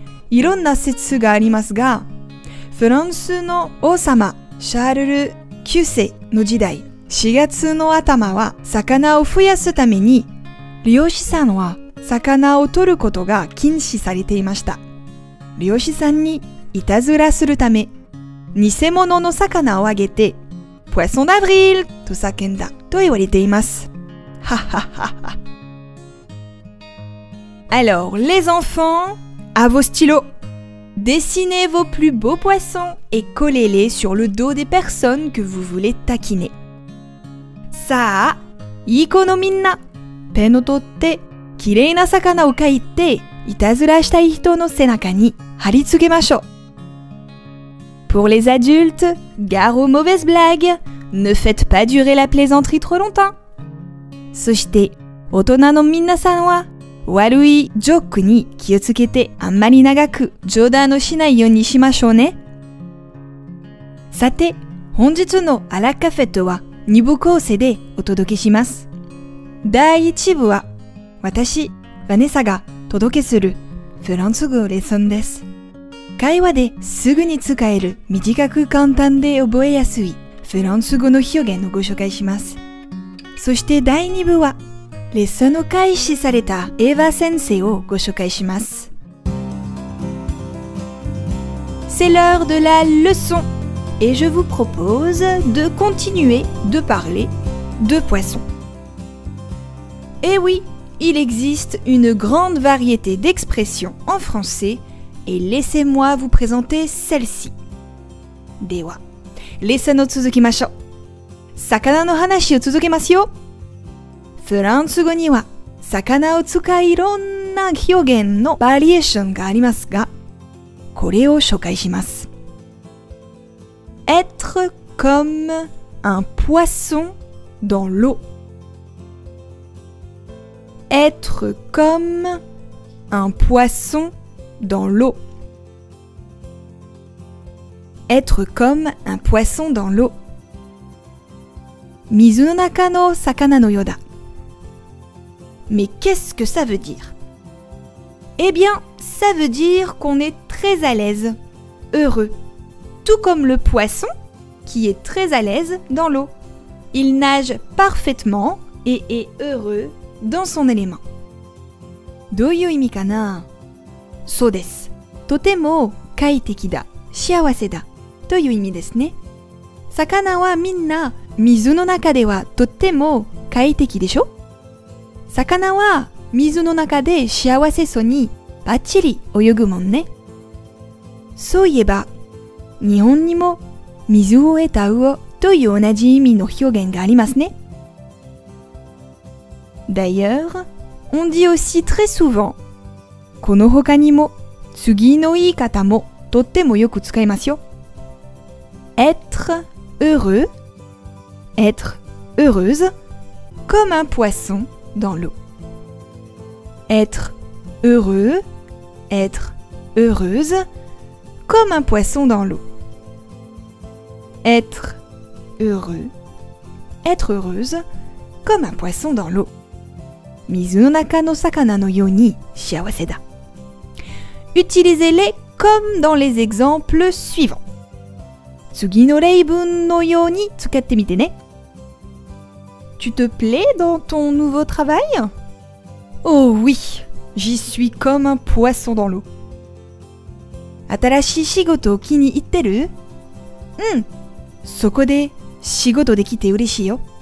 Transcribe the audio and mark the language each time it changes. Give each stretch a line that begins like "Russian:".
Japanese: いろんな説がありますが、フランスの王様、シャルル9世の時代、4月の頭は魚を増やすために、漁師さんは魚を取ることが禁止されていました。漁師さんにいたずらするため、偽物の魚をあげて、ポエソンダブリルと叫んだと言われています。はははは。
French: Alors, les enfants, à vos stylos! Dessinez vos plus beaux poissons et collez-les sur le dos des personnes que vous voulez taquiner.
Japanese: さあ、いい子のみんな、ペンを取って、きれいな魚を描いて、いたずらしたい人の背中に貼り付けましょう。
French: Pour les adultes, gare aux mauvaises blagues. Ne faites pas durer la plaisanterie trop longtemps.
Japanese: そして、大人のみんなさんは、悪いジョークに気をつけて、あんまり長く冗談をしないようにしましょうね。さて、本日のアラカフェットは2部構成でお届けします。第1部は、私、ヴァネサが届けするフランス語レッスンです。会話ですぐに使える短く簡単で覚えやすいフランス語の表現をご紹介します。そして第2部は、レッスンを開始されたエヴァ先生をご紹介します。
French: C'est l'heure de la leçon et je vous propose de continuer de parler de poissons. Eh oui, il existe une grande variété d'expressions en français et laissez-moi vous présenter celle-ci.
Japanese: では、レッスンを続けましょう。魚の話を続けますよ。フランス語には魚を使ういろんな表現のバリエーションがありますが、これを紹介します。
French: être comme un poisson dans l'eau. être comme un poisson dans l'eau. être comme un poisson dans l'eau.
Japanese: 水の中の魚のようだ。
French: Mais qu'est-ce que ça veut dire? Eh bien, ça veut dire qu'on est très à l'aise, heureux. Tout comme le poisson, qui est très à l'aise dans l'eau. Il nage parfaitement et est heureux dans son élément.
Japanese: どういう意味かな?そうです。とても快適だ、幸せだ、という意味ですね。魚はみんな水の中ではとても快適でしょ? 魚は水の中で幸せそうにバッチリ泳ぐもんね。そういえば、日本にも水を得た魚という同じ意味の表現がありますね。
French: D'ailleurs, on dit aussi très souvent。
Japanese: この他にも、次の言い方もとってもよく使いますよ。
French: être heureux、être heureuse、comme un poisson。 Dans l'eau. Être heureux, être heureuse, comme un poisson dans l'eau. Être heureux, être heureuse, comme un poisson dans l'eau.
Japanese: 水の中の魚のように幸せだ。
French: Utilisez-les comme dans les exemples suivants.
Japanese: 次の例文のように使ってみてね。
French: Tu te plais dans ton nouveau travail? Oh oui, j'y suis comme un poisson dans l'eau.
Japanese: 新しい仕事を気に入ってる?うん、そこで仕事できて嬉しいよ。